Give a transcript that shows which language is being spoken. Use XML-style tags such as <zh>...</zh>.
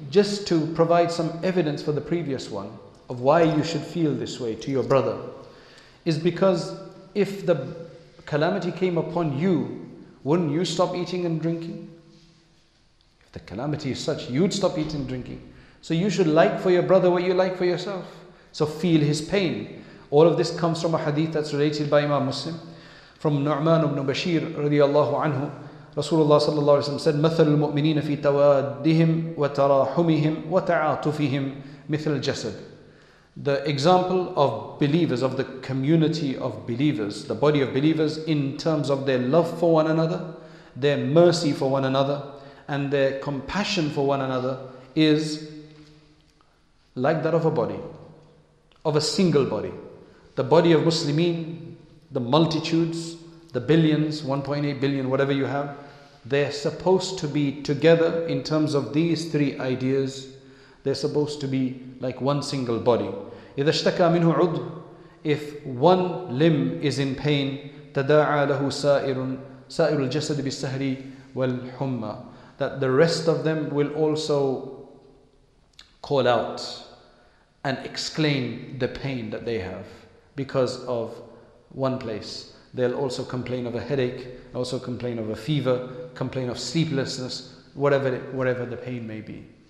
<en>Just to provide some evidence for the previous one of why you should feel this way to your brother, is because if the calamity came upon you, wouldn't you stop eating and drinking? If the calamity is such, you'd stop eating and drinking. So you should like for your brother what you like for yourself. So feel his pain. All of this comes from a hadith that's related by Imam Muslim, from Nu'man ibn Bashir radiallahu anhu.</en> <ar>Rasulullah sallallahu alayhi wa sallam said, مَثَلُ الْمُؤْمِنِينَ فِي تَوَادِّهِمْ وَتَرَاحُمِهِمْ وَتَعَاطُفِهِمْ مِثْلَ الْجَسَدِ.</ar> <en>The example of believers, of the community of believers, the body of believers, in terms of their love for one another, their mercy for one another, and their compassion for one another, is like that of a body, of a single body. The body of Muslimin, the multitudes, the billions, 1.8 billion, whatever you have, they're supposed to be together in terms of these three ideas. They're supposed to be like one single body.</en> <ar>إِذَا اشْتَكَى مِنْهُ عُضُّ.</ar> <en>If one limb is in pain,</en> <ar>تَدَاعَى لَهُ سَائِرٌ سَائِرُ الْجَسَدِ بِالسَّهْرِ وَالْحُمَّى.</ar> <en>That the rest of them will also call out and exclaim the pain that they have because of one place. They'll also complain of a headache, also complain of a fever, complain of sleeplessness, whatever the pain may be.</en>